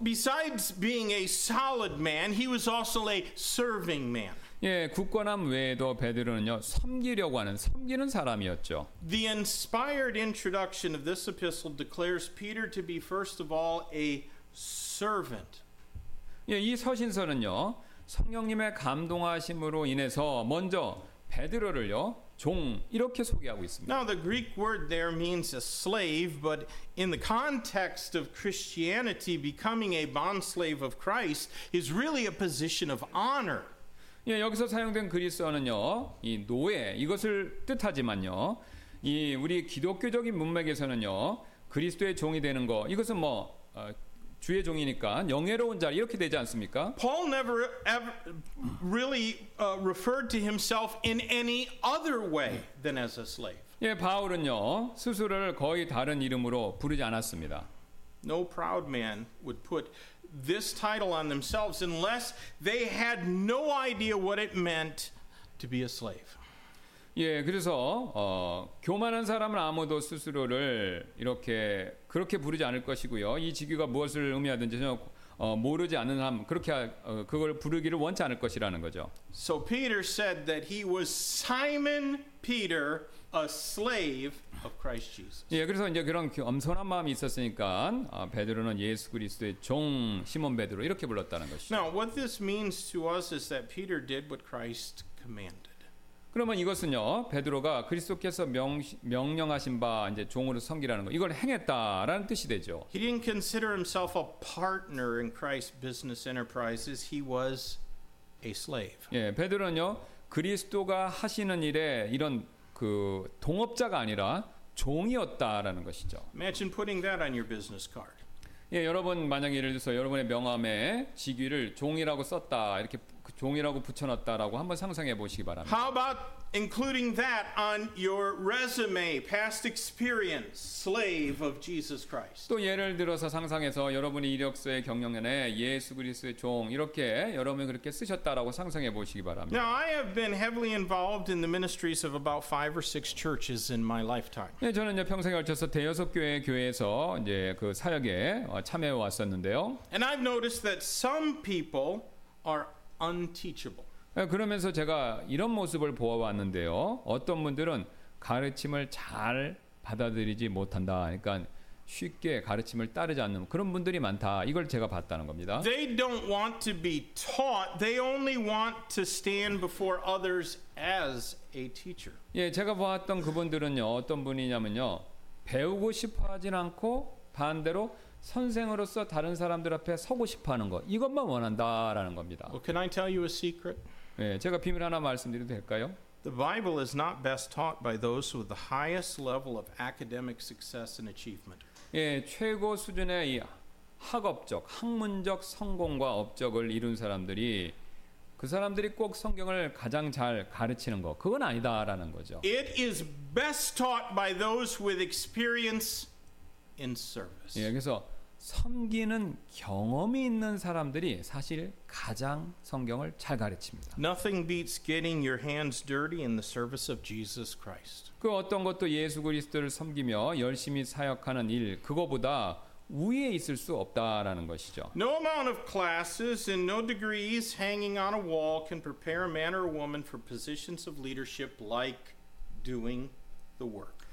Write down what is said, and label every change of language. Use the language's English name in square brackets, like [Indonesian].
[English] Besides being a solid man, he was also a serving man. [Korean] 예, 굳건함 외에도 베드로는요 섬기려고 하는 섬기는 사람이었죠. [English] The inspired introduction of this epistle declares Peter to be first of all a servant. [Korean] 예, 이 서신서는요 성령님의 감동하심으로 인해서 먼저 베드로를요. 종 이렇게 소개하고 있습니다. [English] Now the Greek word there means a slave, but in the context of Christianity, becoming a bondslave of Christ is really a position of honor. [Korean] 예, 여기서 사용된 그리스어는요, 이 노예 이것을 뜻하지만요, 이 우리 기독교적인 문맥에서는요, 그리스도의 종이 되는 거 이것은 뭐 주의 종이니까 영예로운 자 이렇게 되지 않습니까? [English] Paul never ever really referred to himself in any other way than as a slave. [Korean] 예, 바울은요 스스로를 거의 다른 이름으로 부르지 않았습니다. [English] No proud man would put this title on themselves unless they had no idea what it meant to be a slave. [Korean] 예, 그래서 교만한 사람은 아무도 스스로를 이렇게 그렇게 부르지 않을 것이고요. 이 직위가 무엇을 의미하든지 전혀 모르지 않는 사람 그렇게 그걸 부르기를 원치 않을 것이라는 거죠. [English] So Peter said that he was Simon Peter, a slave of Christ Jesus. [Korean] 예, 그래서 이제 그런 겸손한 마음이 있었으니까 베드로는 예수 그리스도의 종 시몬 베드로 이렇게 불렀다는 것이죠. [English] Now what this means to us is that Peter did what Christ commanded. [Korean] 그러면 이것은요 베드로가 그리스도께서 명령하신 바 이제 종으로 섬기라는 거 이걸 행했다라는 뜻이 되죠. [English] He didn't consider himself a partner in Christ's business enterprises. He was a slave. [Korean] 예, 베드로는요 그리스도가 하시는 일에 이런 그 동업자가 아니라 종이었다라는 것이죠. [English] Imagine putting that on your business card. [Korean] 예, 여러분 만약에 예를 들어서 여러분의 명함에 직위를 종이라고 썼다 이렇게 종이라고 붙여놨다라고 한번 상상해 보시기 바랍니다. [English] How about including that on your resume, past experience, slave of Jesus Christ? [Korean] 또 예를 들어서 상상해서 여러분이 이력서의 경력에 예수 그리스도의 종 이렇게 여러분이 그렇게 쓰셨다라고 상상해 보시기 바랍니다. [English] Now I have been heavily involved in the ministries of about 5 or 6 churches in my lifetime. [Korean] 네, 저는 이제 평생에 걸쳐서 대여섯 교회에서 이제 그 사역에 참여해 왔었는데요. [English] And I've noticed that some people are unteachable. [Korean] 그러면서 제가 이런 모습을 보아왔는데요. 어떤 분들은 가르침을 잘 받아들이지 못한다. 그러니까 쉽게 가르침을 따르지 않는 그런 분들이 많다. 이걸 제가 봤다는 겁니다. [English] They don't want to be taught. They only want to stand before others as a teacher. [Korean] 예, 제가 보았던 그분들은요. 어떤 분이냐면요. 배우고 싶어 하진 않고 반대로 선생으로서 다른 사람들 앞에 서고 싶어하는 것 이것만 원한다라는 겁니다. [English] Well, can I tell you a secret? [Korean] 네, 제가 비밀 하나 말씀드려도 될까요? [English] The Bible is not best taught by those with the highest level of academic success and achievement. [Korean] 예, 최고 수준의 이 학업적, 학문적 성공과 업적을 이룬 사람들이 그 사람들이 꼭 성경을 가장 잘 가르치는 것 그건 아니다라는 거죠. [English] It is best taught by those with experience. In service. [Korean] 예, 그래서 섬기는 경험이 있는 사람들이 사실 가장 성경을 잘 가르칩니다. Nothing beats getting your hands dirty in the service of Jesus Christ. 그 어떤 것도 예수 그리스도를 섬기며 열심히 사역하는 일 그거보다 위에 있을 수 없다라는 것이죠. [English] No amount of classes and no degrees hanging on a wall can prepare a man or a woman for positions of leadership like doing the work.